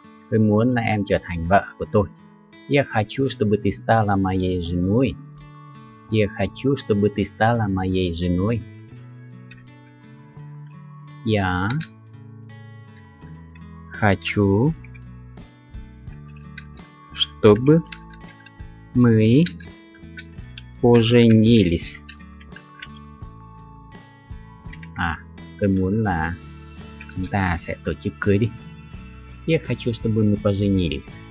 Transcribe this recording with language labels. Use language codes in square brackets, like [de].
[vi] Tôi muốn là em trở thành vợ của tôi. [ru] Я хочу, чтобы ты стала моей женой. Я хочу, чтобы ты стала моей женой. Я хочу, чтобы мы поженились. [vi] Tôi muốn là chúng ta sẽ tổ chức cưới đi. [ru] Я хочу, чтобы мы поженились.